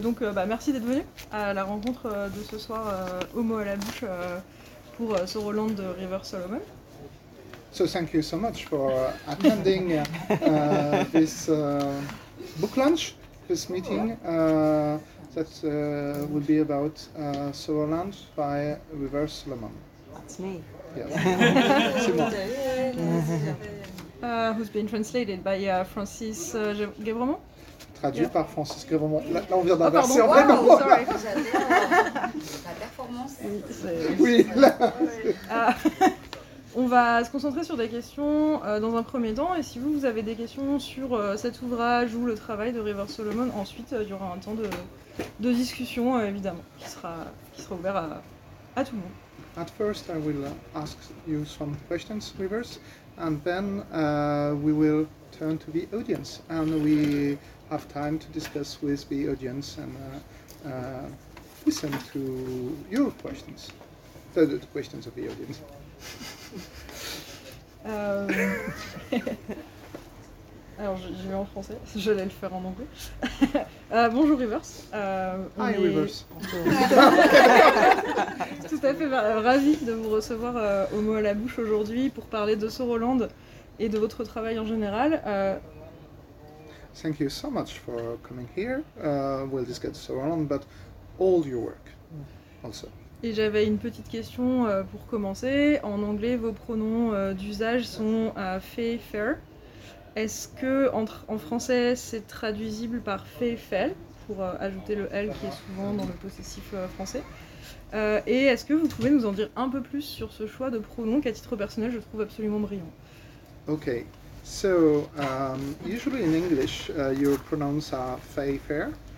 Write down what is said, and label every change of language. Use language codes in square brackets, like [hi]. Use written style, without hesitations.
[fr] Donc, bah, merci d'être venu à la rencontre de ce soir au mot à la bouche pour ce Roland de River Solomon. [en] So thank you so much for attending this book lunch, this meeting that will be about So Roland by River Solomon. That's me. Yes. [fr] C'est moi. [en] Who's been translated by Francis Gabremont? [fr] Traduit par Francis Gabremont. Là, on vient d'inverser en fait. [en] Sorry. [fr] La performance. Oui, c'est... oui là. On va se concentrer sur des questions dans un premier temps, et si vous, vous avez des questions sur cet ouvrage ou le travail de River Solomon, ensuite il y aura un temps de discussion évidemment, qui sera ouvert à tout le monde. [en] At first, I will ask you some questions, Rivers, and then we will turn to the audience, and we have time to discuss with the audience and listen to your questions, the questions of the audience. [fr] Alors je vais en français, je vais le faire en anglais. Bonjour Rivers. [en] Hi Rivers. [fr] Tout à fait ravi de vous recevoir au mot à la bouche aujourd'hui pour parler de So Roland et de votre travail en général. [en] Thank you so much for coming here. We'll discuss So Roland, but all your work also. [fr] Et j'avais une petite question pour commencer. En anglais, vos pronoms d'usage sont fée, fair. Est-ce que en français, c'est traduisible par fée, fell, pour ajouter le L qui est souvent dans le possessif français. Et est-ce que vous pouvez nous en dire un peu plus sur ce choix de pronoms qu'à titre personnel, je trouve absolument brillant. Ok. [en] So, usually in English, your pronouns are fée, fair.